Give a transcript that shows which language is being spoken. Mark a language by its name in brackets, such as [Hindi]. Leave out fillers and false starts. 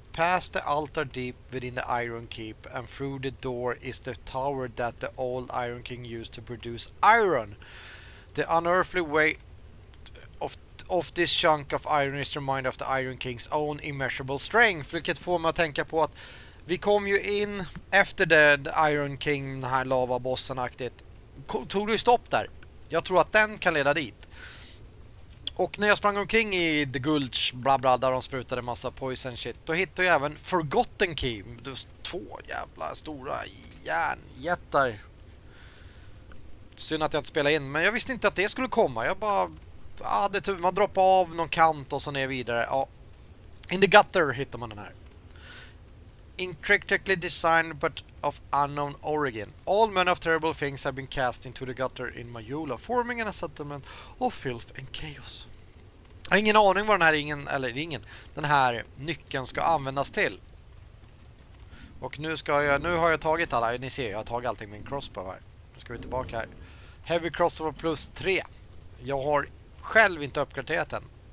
[English] Past the altar deep within the Iron Keep and through the door is the tower that the old Iron King used to produce iron. The unearthly weight of this chunk of iron is reminded of the Iron King's own immeasurable strength. [Swedish] Vilket får mig att tänka på att vi kom ju in efter the Iron King, den här lavabossenaktigt. Tog du stopp där? Jag tror att den kan leda dit. Och när jag sprang omkring i The Gulch, bla bla, där de sprutade massa [English] poison shit, [Swedish] då hittade jag även Forgotten Key. Det var två jävla stora järnjättar. Synd att jag inte spelade in, men jag visste inte att det skulle komma. Jag bara hade tur, man droppade av någon kant och så ner vidare. Ja. In the gutter hittar man den här. [English] Intricately designed but of unknown origin. All manner of terrible things have been cast into the gutter in Majula, forming an settlement of filth and chaos. [Swedish] Jag har ingen aning vad den här ringen, eller ringen, den här nyckeln ska användas till. Och nu ska jag, nu har jag tagit alla, ni ser, jag har tagit allting med en crossbow här. Nu ska vi tillbaka här. Heavy crossbow plus 3. Jag har själv inte uppgraderat den.